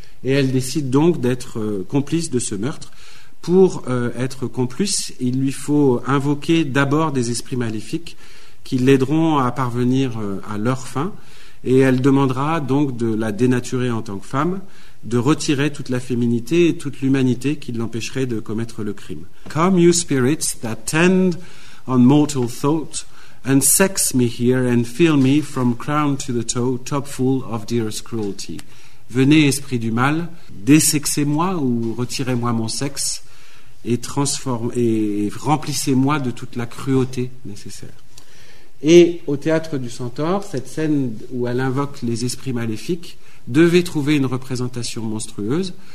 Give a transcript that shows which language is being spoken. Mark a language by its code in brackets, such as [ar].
[fr] Et elle décide donc d'être complice de ce meurtre. Pour être complice, il lui faut invoquer d'abord des esprits maléfiques qui l'aideront à parvenir à leur fin, et elle demandera donc de la dénaturer en tant que femme, de retirer toute la féminité et toute l'humanité qui l'empêcherait de commettre le crime. [en] Come, you spirits that tend on mortal thought, and sex me here and fill me from crown to the toe, top full of dearest cruelty. [fr] Venez, esprit du mal, désexez-moi ou retirez-moi mon sexe et remplissez-moi de toute la cruauté nécessaire. Et au théâtre du Centaure, cette scène où elle invoque les esprits maléfiques devait trouver une représentation monstrueuse.